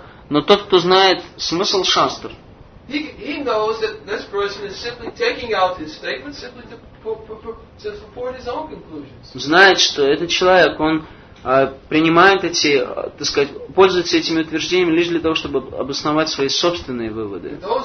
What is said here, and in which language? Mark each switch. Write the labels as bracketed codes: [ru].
[ru] Но тот, кто знает смысл шастр, [en] he knows that this person is simply taking out his statement simply to support his own conclusions. [ru] Знает, что этот человек, он принимает эти, так сказать, пользуется этими утверждениями лишь для того, чтобы обосновать свои собственные выводы.